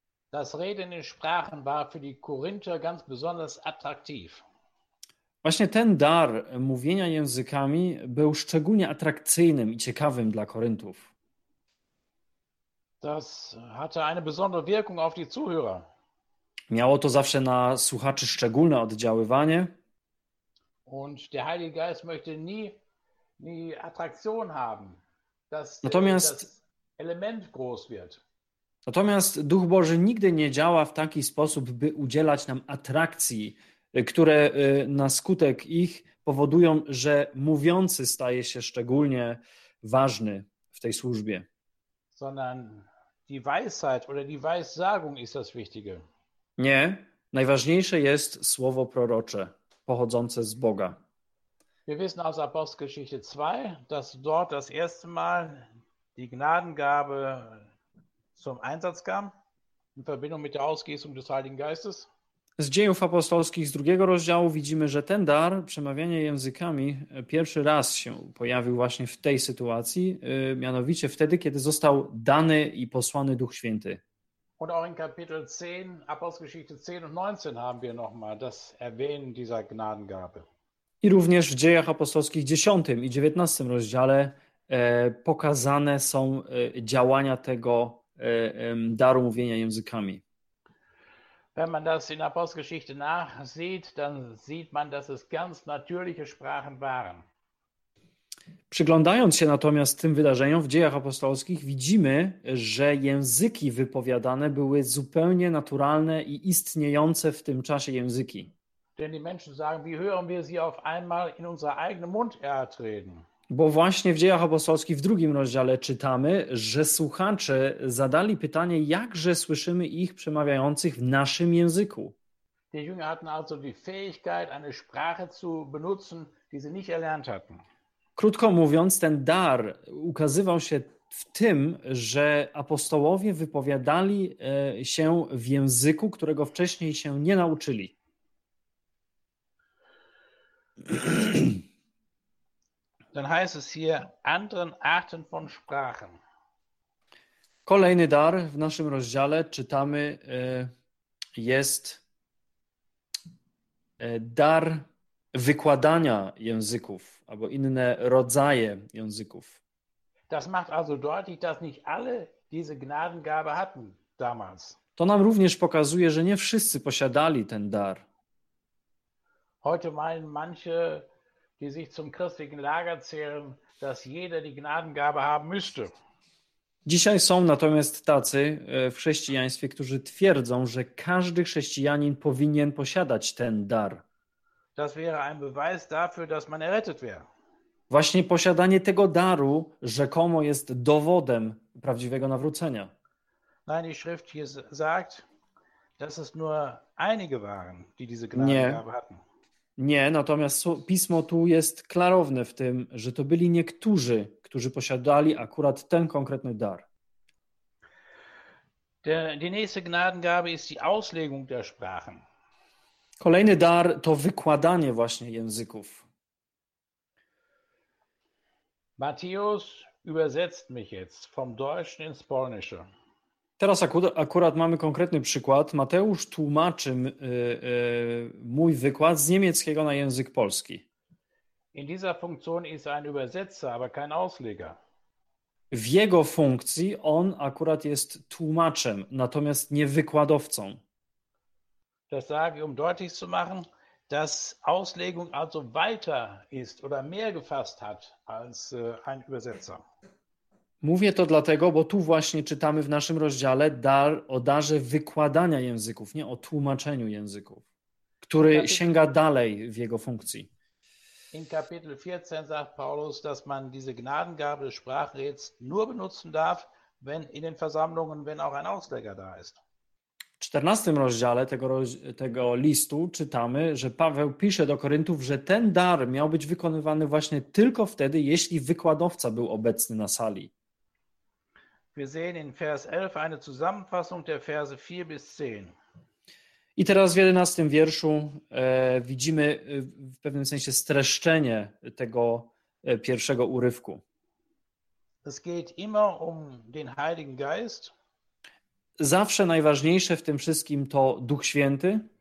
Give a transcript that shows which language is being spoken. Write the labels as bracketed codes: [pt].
[de] Das Reden in Sprachen war für die Korinther ganz besonders attraktiv. [pl] Właśnie ten dar mówienia językami był szczególnie atrakcyjnym i ciekawym dla Koryntów. [de] Das hatte eine besondere Wirkung auf die Zuhörer. [pl] Miało to zawsze na słuchaczy szczególne oddziaływanie. [de] Und der Heilige Geist möchte nie Attraktion haben, dass das Element groß wird. [pl] Natomiast Duch Boży nigdy nie działa w taki sposób, by udzielać nam atrakcji, które na skutek ich powodują, że mówiący staje się szczególnie ważny w tej służbie. [de] Sondern die Weisheit oder die Weissagung ist das Wichtige. [pl] Nie, najważniejsze jest słowo prorocze, pochodzące z Boga. [de] Wir wissen aus Apostelgeschichte 2, dass dort das erste Mal die Gnadengabe zum Einsatz kam, in Verbindung mit der Ausgießung des Heiligen Geistes. [pl] Z Dziejów Apostolskich z drugiego rozdziału widzimy, że ten dar przemawiania językami pierwszy raz się pojawił właśnie w tej sytuacji, mianowicie wtedy, kiedy został dany i posłany Duch Święty. [de] Und auch in Kapitel 10, Apostelgeschichte 10 und 19 haben wir nochmal das Erwähnen dieser Gnadengabe. [pl] I również w Dziejach Apostolskich 10 i 19 rozdziale pokazane są działania tego daru mówienia językami. [de] Wenn man das in Apostelgeschichte nachsieht, dann sieht man, dass es ganz natürliche Sprachen waren. [pl] Przyglądając się natomiast tym wydarzeniom w Dziejach Apostolskich, widzimy, że języki wypowiadane były zupełnie naturalne i istniejące w tym czasie języki. [de] Denn die Menschen sagen, wie hören wir sie auf einmal in unser eigenen Mund erreden? [pl] Bo właśnie w Dziejach Apostolskich w drugim rozdziale czytamy, że słuchacze zadali pytanie, jakże słyszymy ich przemawiających w naszym języku. [de] Die Jünger hatten also die Fähigkeit, eine Sprache zu benutzen, die sie nicht erlernt hatten. [pl] Krótko mówiąc, ten dar ukazywał się w tym, że apostołowie wypowiadali się w języku, którego wcześniej się nie nauczyli. [de] Dann heißt es hier anderen Arten von Sprachen. [pl] Kolejny dar w naszym rozdziale czytamy jest dar wykładania języków albo inne rodzaje języków. [de] Das macht also deutlich, dass nicht alle diese Gnadengabe hatten damals. [pl] To nam również pokazuje, że nie wszyscy posiadali ten dar. [de] Heute meinen manche, die sich zum christlichen Lager zählen, dass jeder die Gnadengabe haben müsste. [pl] Dzisiaj są natomiast tacy w chrześcijaństwie, którzy twierdzą, że każdy chrześcijanin powinien posiadać ten dar. [de] Das wäre ein Beweis dafür, dass man errettet wäre. [pl] Właśnie posiadanie tego daru rzekomo jest dowodem prawdziwego nawrócenia. [de] Nein, die Schrift hier sagt, dass es nur einige waren, die diese Gnadengabe hatten. [pl] Nie, natomiast Pismo tu jest klarowne w tym, że to byli niektórzy, którzy posiadali akurat ten konkretny dar. [de] Die nächste Gnadengabe ist die Auslegung der Sprachen. [pl] Kolejny dar to wykładanie właśnie języków. [de] Matthäus übersetzt mich jetzt vom Deutschen ins Polnische. [pl] Teraz akurat mamy konkretny przykład. Mateusz tłumaczy mój wykład z niemieckiego na język polski. [de] In dieser Funktion ist ein Übersetzer, aber kein Ausleger. [pl] W jego funkcji on akurat jest tłumaczem, natomiast nie wykładowcą. [de] Das sage ich, um deutlich zu machen, dass Auslegung also weiter ist oder mehr gefasst hat als ein Übersetzer. [pl] Mówię to dlatego, bo tu właśnie czytamy w naszym rozdziale dar o darze wykładania języków, nie o tłumaczeniu języków, który sięga dalej w jego funkcji. [de] In Kapitel 14 sagt Paulus, dass man diese Gnadengabe des Sprachenreds nur benutzen darf, wenn in den Versammlungen, wenn auch ein Ausleger da ist. [pl] W 14 rozdziale tego listu czytamy, że Paweł pisze do Koryntów, że ten dar miał być wykonywany właśnie tylko wtedy, jeśli wykładowca był obecny na sali. [de] Wir sehen in Vers 11 eine Zusammenfassung der Verse 4 bis 10. [pl] I teraz w 11 wierszu widzimy w pewnym sensie streszczenie tego pierwszego urywku. [de] Es geht immer um den Heiligen Geist. [pl] Zawsze najważniejsze w tym wszystkim to Duch Święty.